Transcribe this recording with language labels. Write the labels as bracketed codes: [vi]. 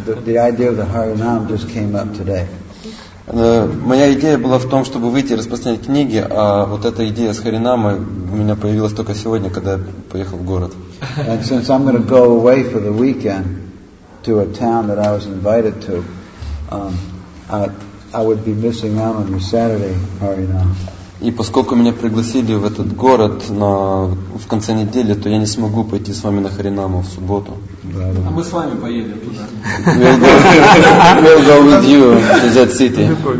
[en] The idea of the Harinam just came up today. [ru] Моя идея была в том, чтобы выйти и распространять книги, а вот эта идея с Харинамой у меня появилась только сегодня, когда я поехал в город. [en] And since I'm going to go away for the weekend to a town that I was invited to, I would be missing out on the Saturday Harinam. [ru] И поскольку меня пригласили в этот город в конце недели, то я не смогу пойти с вами на Харинаму в субботу. А мы с вами поедем туда. [en] We'll go with you to that city.